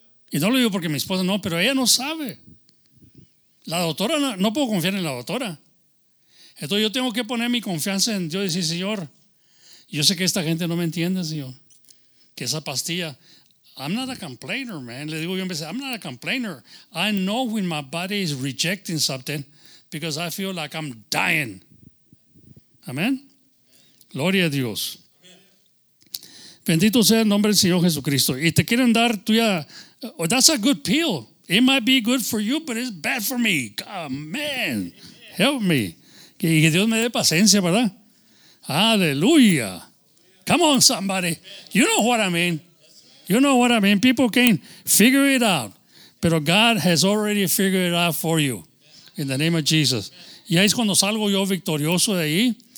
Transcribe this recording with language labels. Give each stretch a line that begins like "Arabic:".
Spanish: Y no lo digo porque mi esposa no, pero ella no sabe. La doctora, no puedo confiar en la doctora. Entonces yo tengo que poner mi confianza en Dios y decir, Señor, yo sé que esta gente no me entiende, Señor. Que esa pastilla.
English: I'm not a complainer, man.
Spanish: Le digo yo,
English: I'm not a complainer. I know when my body is rejecting something because I feel like I'm dying.
Spanish: Amén. Gloria a Dios. Bendito sea el nombre del Señor Jesucristo. Y te quieren dar tuya.
English: Oh, that's a good pill. It might be good for you, but it's bad for me.
Spanish: Amén.
English: Help me.
Spanish: Y que Dios me dé paciencia, ¿verdad?
English: Aleluya. Come on, somebody. You know what I mean. You know what I mean. People can figure it out. Pero God has already figured it out for you. In the name of Jesus.
Spanish: Y ahí es cuando salgo yo victorioso de ahí.